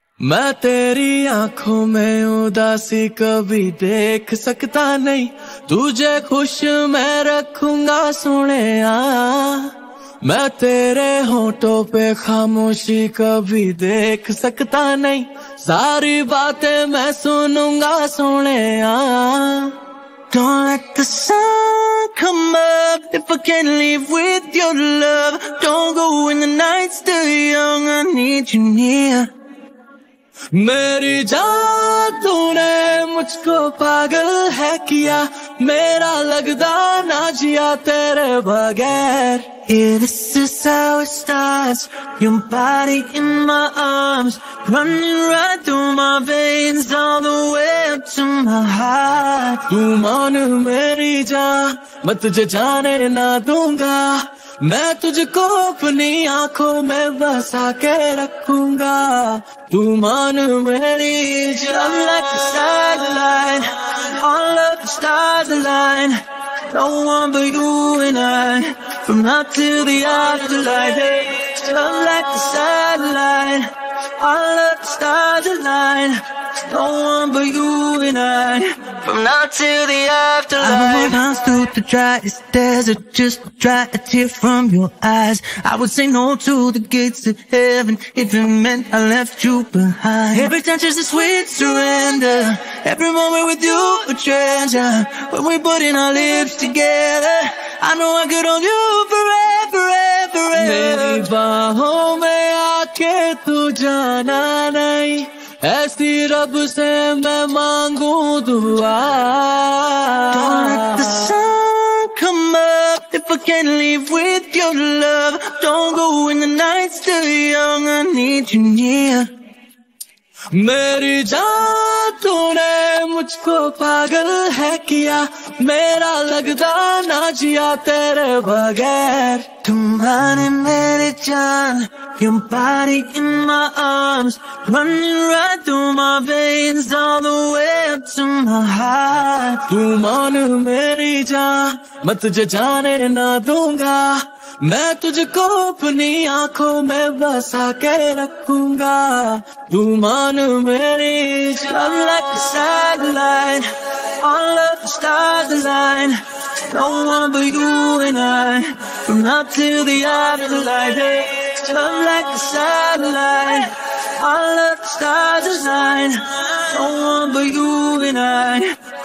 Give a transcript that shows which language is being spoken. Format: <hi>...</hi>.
<hi>मैं तेरी आंखों में उदासी कभी देख सकता नहीं, तुझे खुश मैं रखूंगा सुने आ। मैं तेरे होंठों पे खामोशी कभी देख सकता नहीं, सारी बातें मैं सुनूंगा सुने आ।</hi> <en>Don't let the sun come up if I can't live with your love. Don't go when the night's still young, I need you near.</en> <hi>मेरी जान तूने मुझको पागल है किया, मेरा लगदा ना जिया तेरे बगैर।</hi> <en>Yeah, this is how it starts, your body in my arms, running right through my veins all the way up to my heart.</en> <hi>तू मान मेरी जान, मैं तुझे जाने ना दूंगा, मैं तुझको अपनी आंखों में बसा के रखूंगा। तू मान मेरी जान।</hi> <en>I'm like the stars align, all of the stars align, no one but you and I, from now till the afterlife. I'm like the stars align, all of the stars align, no one but you and I, from now till the afterlife. I've been holding on through the driest desert just to dry a tear from your eyes. I would say no to the gates of heaven if it meant I left you behind. Every touch is a sweet surrender, every moment with you a treasure. When we're putting our lips together, I know I could hold you forever, ever, ever.</en> <hi>मेरी बाहों में आके तू जाना नहीं, ऐसी रब से मैं मांगू दुआ।</hi> <en>Don't let the sun come up if I can't live with your love. Don't go when the night's still young, I need you near.</en> <hi>मेरी जान तूने मुझको पागल है किया, मेरा लगदा ना जिया तेरे बगैर। तू मान मेरी जान,</hi> <en>your body in my arms, running right through my veins all the way up to my heart.</en> <hi>तू मान मेरी जान, मैं तुझे जाने ना दूंगा, मैं तुझको अपनी आंखों में बसा के रखूंगा। तू मान मेरी जान।</hi> <en>I'm like a satellite, all of the stars align, no one but you and I, from now till the afterlife. I'm like a satellite, all of the stars align, no one but you and I,</en>